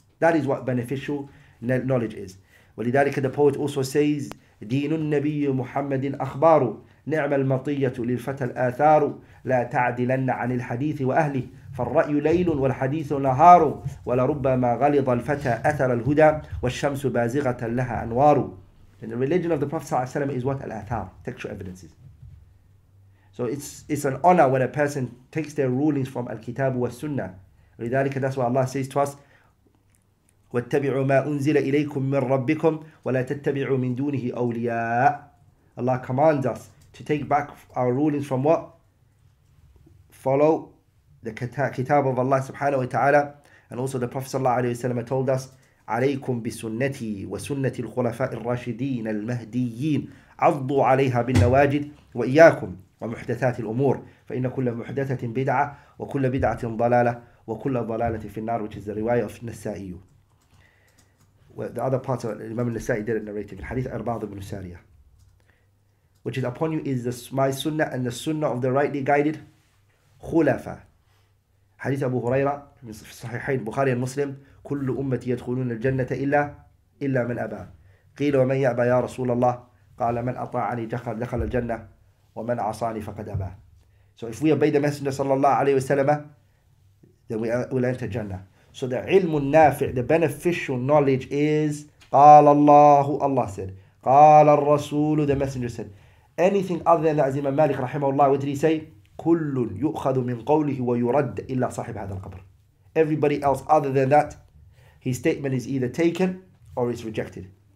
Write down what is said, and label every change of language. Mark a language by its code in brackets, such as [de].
[en] That is what beneficial knowledge is. ولذلك the poet also says, [ar] دين النبي محمد أخبار, نعم المطية للفتى الآثار لا تعدلن عن الحديث وأهله فالرأي ليل والحديث نهار ولربما غلظ الفتى أثر الهدى والشمس بازغة لها أنوار. [en] And the religion of the Prophet صلى الله عليه وسلم is what? Al-Athar, textual evidences. So it's an honor when a person takes their rulings from Al-Kitab wa Sunnah. [ar] لذلك [en] that's what Allah says to us, [ar] وَاتَّبِعُوا مَا أُنزِلَ إِلَيْكُم مِّن رَبِّكُمْ وَلَا تَتَّبِعُوا مِن دُونِهِ أَوْلِيَاءَ. [en] Allah commands us to take back our rulings from what? Follow the Kitab of Allah subhanahu wa ta'ala. And also the Prophet sallallahu alayhi wa sallam told us, [ar] عَلَيْكُمْ بِسُنَّتِي وَسُنَّةِ الْخُلَفَاءِ الرَّاشِدِينَ الْمَهْدِيِّينَ عَضُّوا عَلَيْهَا بِالنَّوَاجِدِ وَإِيَّاكُمْ وَمُحْدَثَاتِ الْأُمُورِ فَإِنَّ كُلَّ مُحْدَثَةٍ بِدْعَةٍ وَكُلَّ بِدْعَةٍ ضَلَالَةٍ وَكُلَّ ضَلَالَةٍ فِي النَّارِ, [en] which is the riwayah of Nasa'iyu. Well, the other parts of Imam Nasa'i did it narrative in Hadith Arbaad ibn Sariyah, which is upon you is the, my sunnah and the sunnah of the rightly guided khulafa. Hadith Abu Huraira in Sahihain Bukhari and Muslim, [ar] كل أمتي يدخلون الجنة إلا من أبى. قيل ومن يأبى يا رسول الله؟ قال من أطاعني دخل الجنة ومن عصاني فقد أبى. [en] So if we obey the Messenger صلى الله عليه وسلم, then we will enter Jannah. So the علم النافع, the beneficial knowledge is [ar] قال الله, [en] Allah said. [ar] قال الرسول, [en] the Messenger said. Anything other than that, Imam Malik رحمه الله, what did he say? [ar] كل يؤخذ من قوله ويرد إلا صاحب هذا القبر. [en] Everybody else other than that, his statement is either taken or it's rejected.